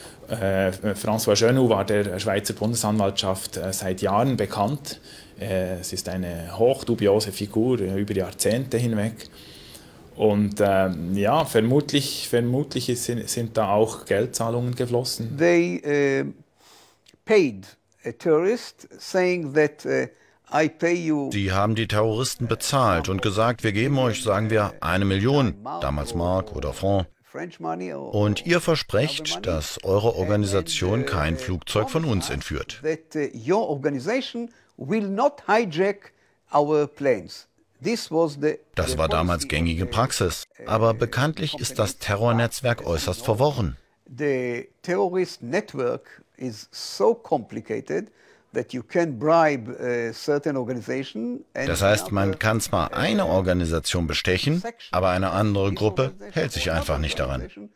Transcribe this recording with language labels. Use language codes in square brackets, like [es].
[de] François Genoux war der Schweizer Bundesanwaltschaft seit Jahren bekannt. Es ist eine hochdubiose Figur über Jahrzehnte hinweg. Und ja, vermutlich sind da auch Geldzahlungen geflossen. [en] They paid a tourist, saying that I pay you. [de] Sie haben die Terroristen bezahlt und gesagt, wir geben euch, sagen wir, 1 Million, damals Mark oder Franc. Und ihr versprecht, dass eure Organisation kein Flugzeug von uns entführt. [en] That your organization will not hijack our planes. [de] Das war damals gängige Praxis. Aber bekanntlich ist das Terrornetzwerk äußerst verworren. [en] The terrorist network is so complicated that you can bribe a certain organization. [de] Das heißt, man kann zwar eine Organisation bestechen, aber eine andere Gruppe hält sich einfach nicht daran.